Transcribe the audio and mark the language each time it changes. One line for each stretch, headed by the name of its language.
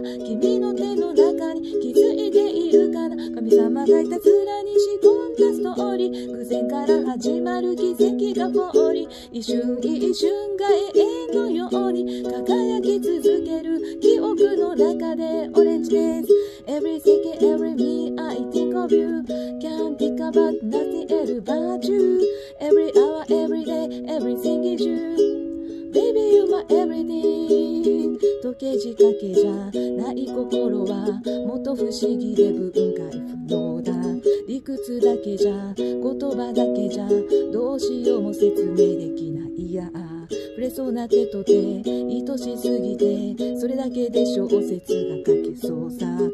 Japanese: 君の手の中に気づいているかな。神様がいたずらに仕込んだストーリー。偶然から始まる奇跡が降り、一瞬一瞬が永遠のように輝き続ける。記憶の中でオレンジです。
English: Every second, every minute, I think of you. Can't think about nothing else but you. Every hour, every day, everything is you. Baby, you my everything.
Japanese: 時計仕掛けじゃない心はもっと不思議で分解不能だ。理屈だけじゃ、言葉だけじゃ、どうしようも説明できない。や、触れそうな手と手、愛しすぎて、それだけで小説が書けそうさ。